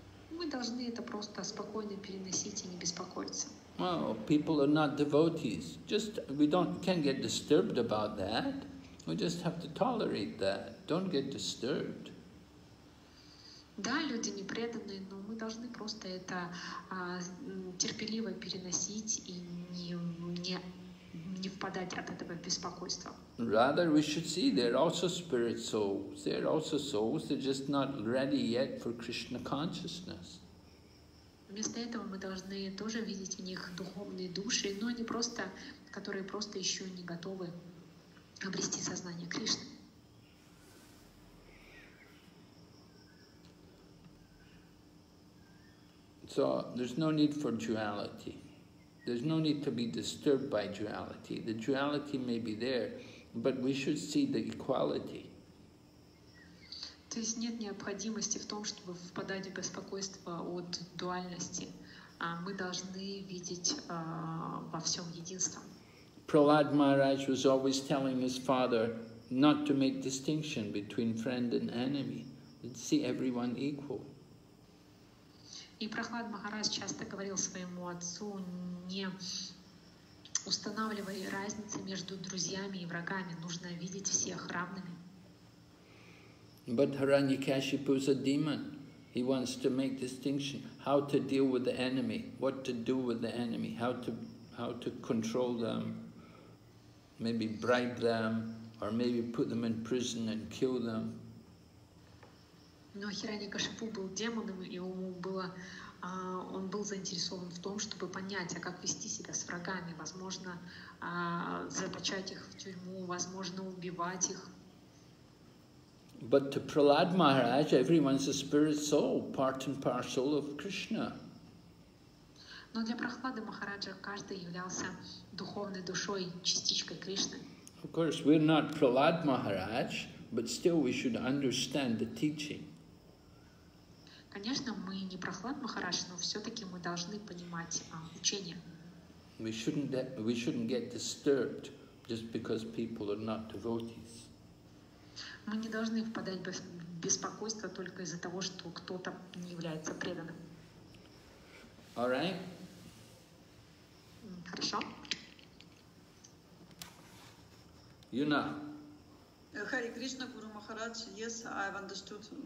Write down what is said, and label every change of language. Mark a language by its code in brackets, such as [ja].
[ru] Мы должны это просто спокойно переносить и не беспокоиться. [en] Well, people are not devotees. Just we don't can't get disturbed about that. We just have to tolerate that. Don't get disturbed. [ru] Да, люди не преданные, но мы должны просто это терпеливо переносить и не впадать от этого в беспокойство. [en] Rather, we should see they're also spirit souls. They're also souls. They're just not ready yet for Krishna consciousness. [ru] Вместо этого мы должны тоже видеть в них духовные души, но не просто, которые просто еще не готовы обрести сознание Кришны. [en] So there's no need for duality. There's no need to be disturbed by duality. The duality may be there, but we should see the equality. [ru] То есть нет необходимости в том, чтобы впадать в беспокойство от дуальности. Мы должны видеть во всем единство. [en] Prahlad Maharaj was always telling his father not to make distinction between friend and enemy, and see everyone equal. [ru] И Прохлад Махарадж часто говорил своему отцу не устанавливай разницы между друзьями и врагами, нужно видеть всех равными. [en] But Hiranyakashipu is a demon. He wants to make distinction. How to deal with the enemy? What to do with the enemy? How to control them? Maybe bribe them, or maybe put them in prison and kill them. [ru] Но Хираньякашипу был демоном, и ему было, он был заинтересован в том, чтобы понять, а как вести себя с врагами? Возможно, заточать их в тюрьму, возможно, убивать их. [en] But to Prahlad Maharaj, everyone's a spirit soul, part and parcel of Krishna. [ru] Но для Прохлады Махараджа каждый являлся духовной душой, частичкой Кришны. [en] Of course, we're not Prahlad Maharaj, but still we should understand the teaching. [ru] Конечно, мы не Прохлад Махарадж, но все-таки мы должны понимать учение. [en] We shouldn't get disturbed just because people are not devotees. [ru] Мы не должны впадать в беспокойство только из-за того, что кто-то не является преданным. [en] All right. [ru] Хорошо. Юна. Хари Кришна, Гуру Махарадж. [en] Yes, I've understood.